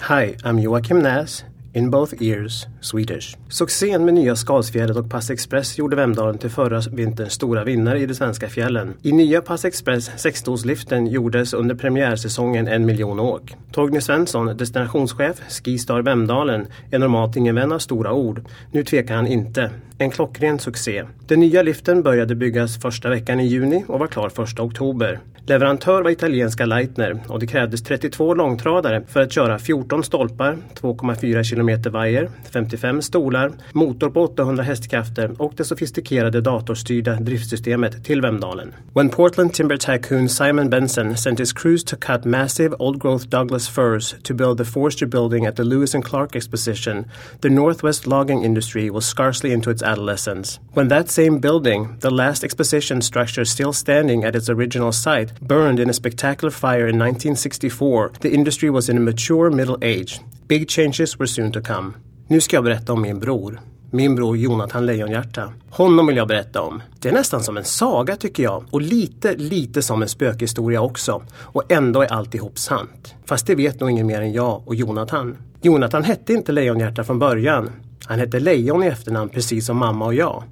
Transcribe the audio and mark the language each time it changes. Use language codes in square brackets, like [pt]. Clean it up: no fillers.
[en] Hi, I'm Joakim Näs, in both ears, Swedish. [sv] Succén med nya Skalsfjället och Pass Express gjorde Vemdalen till förra vinterns stora vinnare i de svenska fjällen. I nya Pass Express 6-dosliften gjordes under premiärsäsongen 1 miljon åk. Torgny Svensson, destinationschef, Skistar Vemdalen, är normalt ingen vän av stora ord. Nu tvekar han inte. En klockren succé. Den nya liften började byggas första veckan i juni och var klar 1 oktober. Leverantör var italienska Leitner och det krävdes 32 långtradare för att köra 14 stolpar, 2,4 km vajer, 55 stolar, motor på 800 hästkrafter och det sofistikerade datorstyrda driftsystemet till Vemdalen. [en] When Portland timber tycoon Simon Benson sent his crews to cut massive old-growth Douglas firs to build the forestry building at the Lewis and Clark Exposition, the Northwest logging industry was scarcely into its adolescence. When that same building, the last exposition structure still standing at its original site, burned in a spectacular fire in 1964, the industry was in a mature middle age. Big changes were soon to come. [sv] Nu ska jag berätta om min bror. Min bror Jonathan Lejonhjärta. Honom vill jag berätta om. Det är nästan som en saga tycker jag. Och lite som en spökhistoria också. Och ändå är alltihop sant. Fast det vet nog ingen mer än jag och Jonathan. Jonathan hette inte Lejonhjärta från början. Han hette Lejon i efternamn precis som mamma och jag.